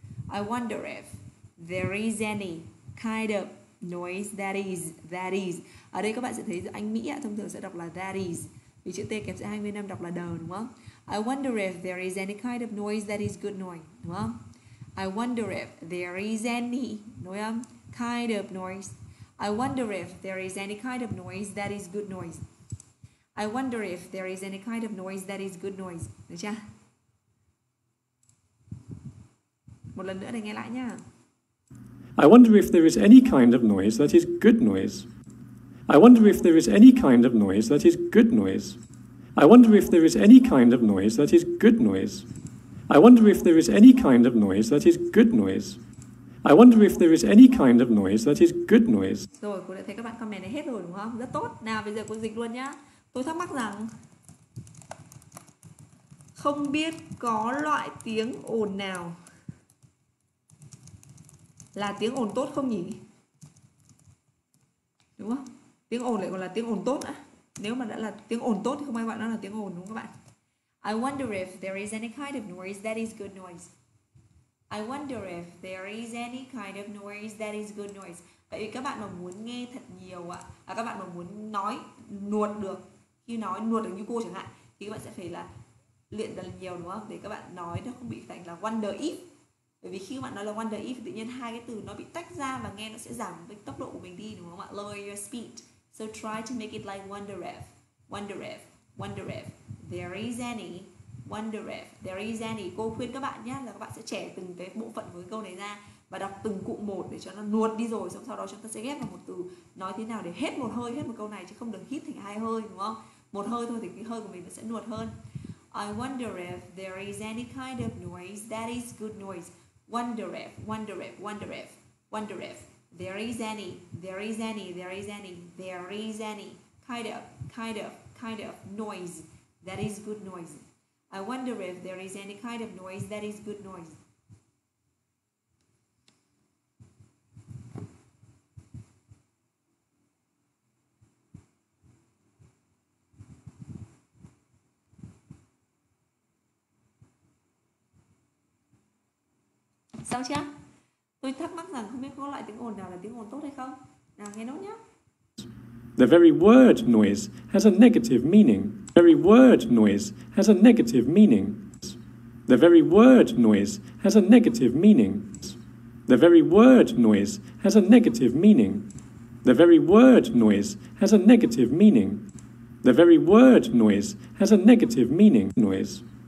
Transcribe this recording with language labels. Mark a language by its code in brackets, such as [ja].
[en] I wonder if there is any kind of noise that is. [vi] Ở đây các bạn sẽ thấy anh Mỹ thông thường sẽ đọc là [en] that is. [vi] Vì chữ T kẹp giữa hai nguyên âm đọc là đ, đúng không? [en] I wonder if there is any kind of noise that is good noise, [vi] đúng không? [en] I wonder if there is any, [vi] nối âm, [en] kind of noise. I wonder if there is any kind of noise that is good noise. I wonder if there is any kind of noise that is good noise. [vi] Được chưa? Một lần nữa để nghe lại nha. [en] I wonder if there is any kind of noise that is good noise. I wonder if there is any kind of noise that is good noise. I wonder if there is any kind of noise that is good noise. I wonder if there is any kind of noise that is good noise. I wonder if there is any kind of noise that is good noise. [vi] Rồi, cô đã thấy các bạn comment này hết rồi đúng không? Rất tốt. Nào, bây giờ cô dịch luôn nhá. Tôi thắc mắc rằng không biết có loại tiếng ồn nào là tiếng ồn tốt không nhỉ? Đúng không? Tiếng ồn lại còn là tiếng ồn tốt á. Nếu mà đã là tiếng ồn tốt thì không ai gọi nó là tiếng ồn đúng không các bạn? [en] I wonder if there is any kind of noise that is good noise. I wonder if there is any kind of noise that is good noise. [vi] Vậy thì các bạn mà muốn nghe thật nhiều ạ, các bạn mà muốn nói nuột được, khi nói nuột được như cô chẳng hạn, thì các bạn sẽ phải là luyện thật nhiều đúng không? Để các bạn nói nó không bị thành là [en] wonder if. [vi] Bởi vì khi bạn nói là [en] wonder if, [vi] tự nhiên hai cái từ nó bị tách ra và nghe nó sẽ giảm với tốc độ của mình đi đúng không ạ? [en] Lower your speed. So try to make it like wonder if. Wonder if. Wonder if. There is any. Wonder if there is any. [vi] Cô khuyên các bạn nhé là các bạn sẽ trẻ từng cái bộ phận với câu này ra và đọc từng cụm một để cho nó nuốt đi rồi. Xong sau đó chúng ta sẽ ghép vào một từ nói thế nào để hết một hơi, hết một câu này chứ không được hít thành hai hơi đúng không? Một hơi thôi thì cái hơi của mình nó sẽ nuột hơn. [en] I wonder if there is any kind of noise that is good noise. Wonder if, wonder if, wonder if, wonder if. There is any, there is any, there is any, there is any. Kind of noise that is good noise. I wonder if there is any kind of noise that is good noise. [vi] Xong chưa? Tôi thắc mắc rằng không biết có loại tiếng ồn nào là tiếng ồn tốt hay không? Nào nghe nốt nhé. [en] The very word noise has a negative meaning. The very word noise has a negative meaning. The very word noise has a negative meaning. The very word noise has a negative meaning. The very word noise has a negative meaning. The very word noise has a negative meaning. Noise.